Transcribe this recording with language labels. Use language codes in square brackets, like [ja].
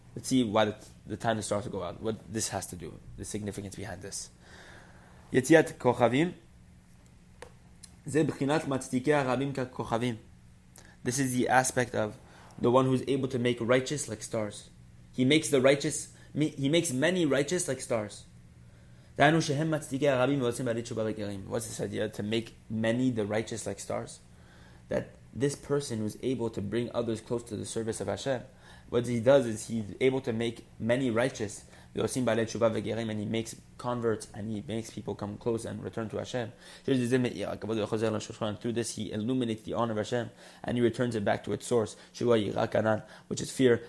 [en] Let's see why the time the stars go out, what this has to do, the significance behind this. This is the aspect of the one who's able to make righteous like stars. He makes the righteous he makes many righteous like stars. [he] דהיינו שהם מצדיקי הרבים ועושים בעלי תשובה וגרים. [en] What's this idea? To make many the righteous like stars? That this person who's able to bring others close to the service of Hashem, what he does is he's able to make many righteous [he] ועושים בעלי תשובה וגרים, [en] and he makes converts and he makes people come close and return to Hashem. Through this he illuminates the honor of Hashem and he returns it back to its source, which is fear.